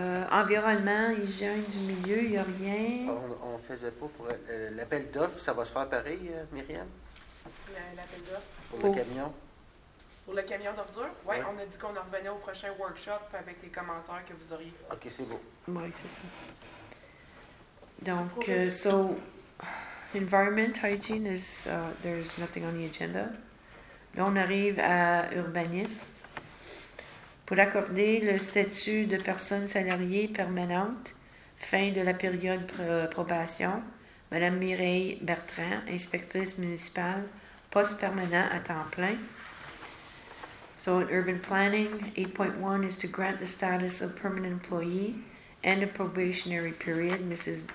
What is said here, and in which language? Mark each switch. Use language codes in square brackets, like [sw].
[fr] environnement, hygiène du milieu, il n'y a rien. On ne faisait pas pour l'appel d'offres, ça va se faire pareil, Myriam? L'appel d'offres? Pour le camion? Pour le camion d'ordures? Oui, ouais. On a dit qu'on en revenait au prochain workshop avec les commentaires que vous auriez. OK, c'est beau. Oui, c'est ça. [en] Donc, environment, hygiene, there's nothing on the agenda. [fr] Là, on arrive à urbanisme. Pour accorder le statut de personne salariée permanente, fin de la période probation, Mme Mireille Bertrand, inspectrice municipale, poste permanent à temps plein. [en] So, in urban planning, 8.1 is to grant the status of permanent employee and a probationary period, Mrs.